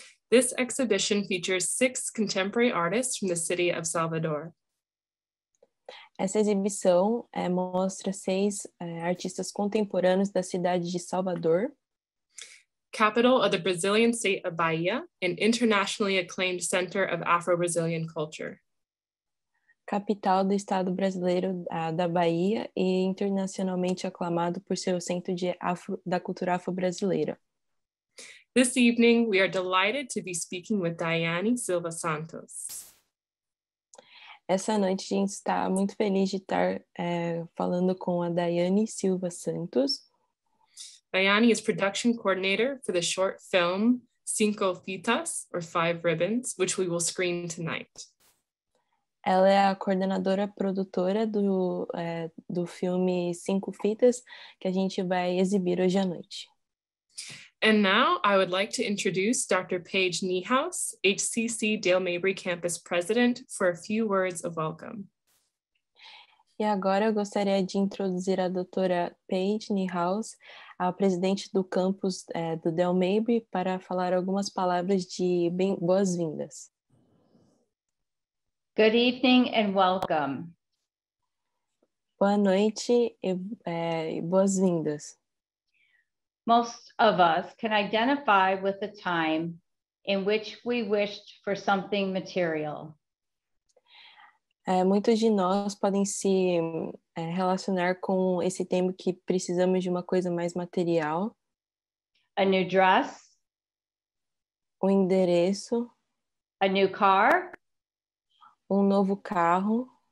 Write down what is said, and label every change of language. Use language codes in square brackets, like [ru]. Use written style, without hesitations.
[en] This exhibition features six contemporary artists from the city of Salvador. [pt] Essa exibição mostra seis artistas contemporâneos da cidade de Salvador. [en] Capital of the Brazilian state of Bahia, an internationally acclaimed center of Afro-Brazilian culture. [pt] Capital do estado brasileiro da Bahia e internacionalmente aclamado por seu centro da cultura afro-brasileira. [en] This evening, we are delighted to be speaking with Daiane Silva Santos. [pt] Essa noite, a gente está muito feliz de estar falando com a Daiane Silva Santos. [en] Daiane is production coordinator for the short film Cinco Fitas, or Five Ribbons, which we will screen tonight. [pt] Ela é a coordenadora produtora do filme Cinco Fitas, que a gente vai exibir hoje à noite. [en] And now I would like to introduce Dr. Paige Niehaus, HCC Dale Mabry Campus President, for a few words of welcome. [pt] E agora eu gostaria de introduzir a doutora Paige Niehaus, a presidente do campus do Dale Mabry, para falar algumas palavras de boas-vindas. [en] Good evening and welcome. [pt] Boa noite e boas-vindas. [en] Most of us can identify with a time in which we wished for something material. [pt] Muitos de nós podem se relacionar com esse tempo que precisamos de uma coisa mais material. [en] A new dress. [pt] Um endereço. [en] A new car. [pt] Um novo carro.